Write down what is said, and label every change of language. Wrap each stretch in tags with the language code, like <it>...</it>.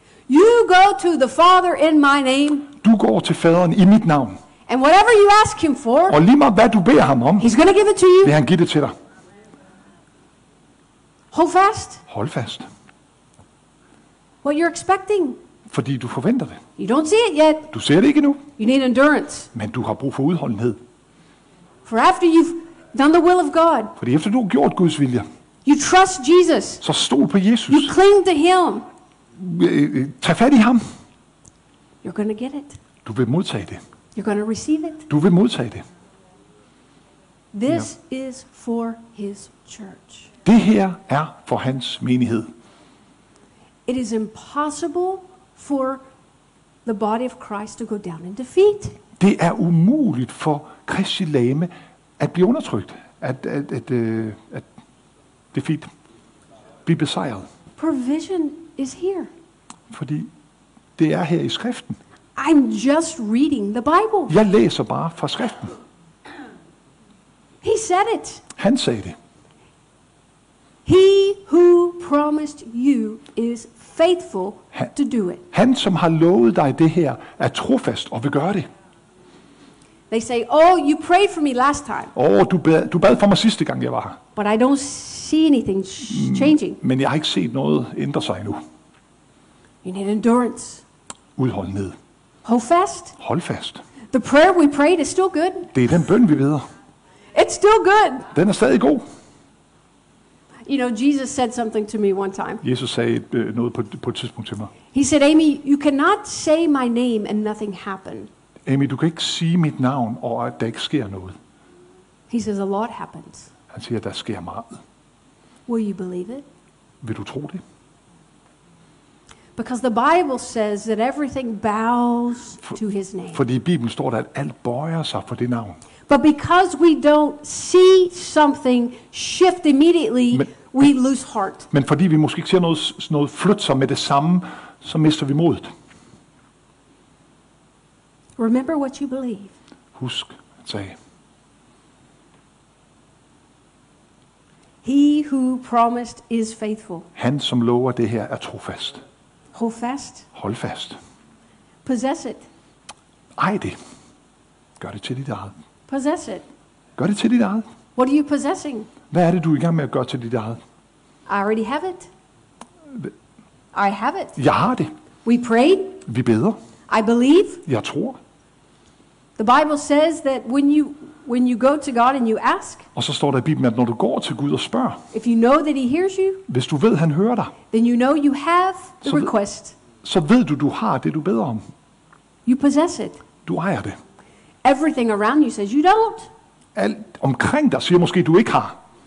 <en>You go to the Father in my name.</en> <da>Du går til Faderen i mit navn.</da> <en>And whatever you ask him for.</en> <da>Og lige meget hvad du beder ham om.</da> <en>He's going to give it to you.</en> <da>Vil han give det til dig.</da> <en>Hold fast.</en> <da>Hold fast.</da> <en>What you're expecting.</en> <da>Fordi du forventer det.</da> <en>You don't see it yet.</en> <da>Du ser det ikke nu.</da> <en>You need endurance.</en> <da>Men du har brug for udholdenhed.</da> <en>For after you've done the will of God.</en> <da>Fordi efter du har gjort Guds vilje.</da> <en>You trust Jesus.</en> <da>Så stol på Jesus.</da> <en>You cling to him.</en> <da>Tag fat i ham.</da> <en>You're going to get it.</en> <da>Du vil modtage det.</da> <en>You're going to receive it.</en> <da>Du vil modtage det.</da> <en>This is for his church.</en> <da>Det her er for hans menighed.</da> <en>It is impossible for the body of Christ to go down in defeat.</en> <da>Det er umuligt for Kristi lame at blive undertrykt, at defeat, blive besejret.</da> <en>Provision is here.</en> <da>Fordi det er her i skriften.</da> <en>I'm just reading the Bible.</en> <da>Jeg læser bare fra skriften.</da> <en>He said it.</en> <da>Han sagde det.</da> <en>He who promised you is faithful to do it.</en> <da>Han som har lovet dig det her er trofast og vil gøre det.</da> <en>They say, "Oh, you prayed for me last time."</en> <da>Du bad for mig sidste gang jeg var her.</da> <en>But I don't see anything changing.</en> <da>Men jeg har ikke set noget ændre sig endnu.</da> <en>You need endurance.</en> <da>Udholdenhed.</da> <en>Hold fast.</en> <da>Hold fast.</da> <en>The prayer we prayed is still good.</en> <da>Det er den bøn vi beder.</da> <en>It's still good.</en> <da>Den er stadig god.</da> <en>You know, Jesus said something to me one time.</en> <da>Jesus sagde noget på et tidspunkt til mig.</da> <en>He said, "Amy, you cannot say my name and nothing happen."</en> <da>Amy, du kan ikke sige mit navn og at der ikke sker noget.</da> <en>He says a lot happens.</en> <da>Han siger, der sker meget.</da> <en>Will you believe it?</en> <da>Vil du tro det?</da> <en>Because the Bible says that everything bows to his name.</en> <da>Fordi Bibelen står der, at alt bøjer sig for det navn.</da> <en>But because we don't see something shift immediately, we lose heart.</en> <da>Men fordi vi måske ikke ser noget flytte sig med det samme, så mister vi modet.</da> <en>Remember what you believe.</en> <da>Husk, han sagde.</da> <en>He who promised is faithful.</en> <da>Han som lover det her er trofast.</da> <en>Hold fast.</en> <da>Hold fast.</da> <en>Possess it.</en> <da>Ej det. Gør det til dit eget.</da> <en>Possess it.</en> <da>Gør det til dit eget.</da> <en>What are you possessing?</en> <da>Hvad er det du er i gang med at gøre til dit eget?</da> <en>I already have it. I have it.</en> <da>Jeg har det.</da> <en>We prayed.</en> <da>Vi beder.</da> <en>I believe.</en> <da>Jeg tror.</da> <en>The Bible says that when you go to God and you ask.</en> <da>Og så står der i Bibelen, at når du går til Gud og spørger.</da> <en>If you know that he hears you.</en> <da>Hvis du ved han hører dig.</da> <en>Then you know you have the request.</en> <da>Så ved du har det du beder om.</da> <en>You possess it.</en> <da>Du ejer det.</da> <en>Everything around you says you don't.</en> <da>Alt omkring dig siger måske du ikke har.</da>